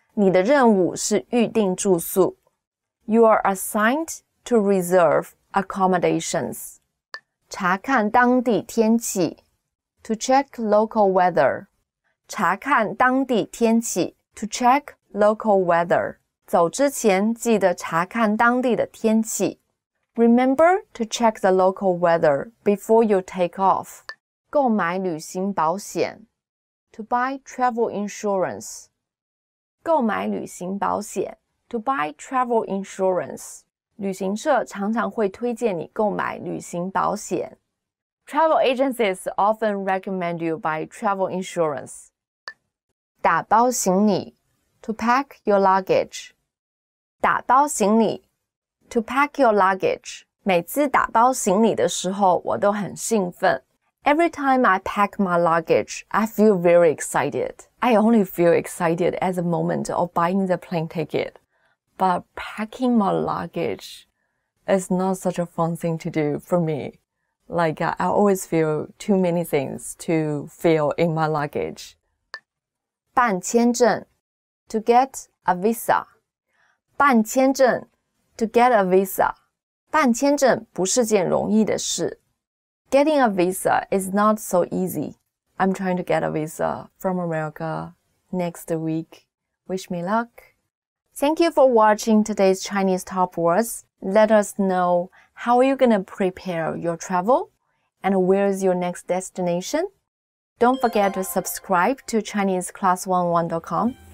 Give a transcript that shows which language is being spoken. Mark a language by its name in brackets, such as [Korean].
[Chinese] 你的任务是预订住宿. [English] You are assigned to reserve accommodations. [Chinese] 查看当地天气 [English] to check local weather. [Chinese] 查看当地天气 [English] To check local weather. [Chinese] 走之前记得查看当地的天气. [English] Remember to check the local weather before you take off. [Chinese] 购买旅行保险 [English] To buy travel insurance. [Chinese] 购买旅行保险 [English] To buy travel insurance. [Chinese] 旅行社常常会推荐你购买旅行保险. [English] Travel agencies often recommend you buy travel insurance. [Chinese] 打包行李 [English] To pack your luggage. [Chinese] 打包行李 [English] To pack your luggage. [Chinese] 每次打包行李的时候我都很兴奋. [English] Every time I pack my luggage, I feel very excited. I only feel excited at the moment of buying the plane ticket. But packing my luggage is not such a fun thing to do for me. Like I always feel too many things to feel in my luggage. [Chinese] 办签证 [English] To get a visa. [Chinese] 办签证 [English] To get a visa. [Chinese] 办签证不是件容易的事. [English] Getting a visa is not so easy. I'm trying to get a visa from America next week. Wish me luck. Thank you for watching today's Chinese Top Words. Let us know How are you going to prepare your travel? And where is your next destination? Don't forget to subscribe to ChineseClass11.com.